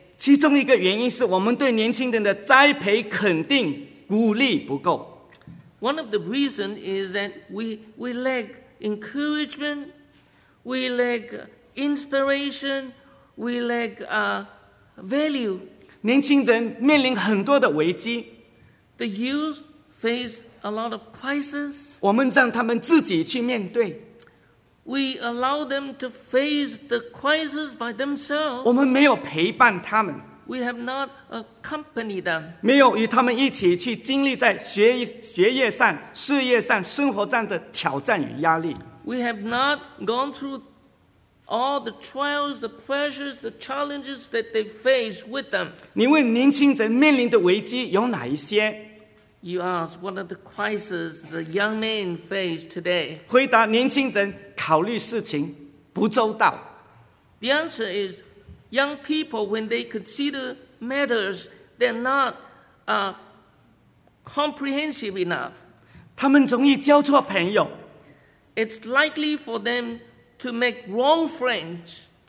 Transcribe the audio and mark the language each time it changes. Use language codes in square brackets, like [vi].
[zh] 其中一个原因是我们对年轻人的栽培、肯定、鼓励不够。 [en] One of the reasons is that we lack encouragement, we lack inspiration, we lack value. [zh] 年轻人面临很多的危机。 [en] The youth face a lot of crises. [zh] 我们让他们自己去面对。 [en] We allow them to face the crisis by themselves. [zh] 我们没有陪伴他们。 [en] We have not accompanied them. [zh] 没有与他们一起去经历在学业上、事业上、生活上的挑战与压力。 [en] We have not gone through all the trials, the pressures, the challenges that they face with them. [zh] 你问年轻人面临的危机有哪一些？ [en] You ask what are the crises the young men face today? [zh] 回答年轻人考虑事情不周到。 [en] The answer is, young people when they consider matters, they're not comprehensive enough. [zh] 他们容易交错朋友。 [en] It's likely for them to make wrong friends.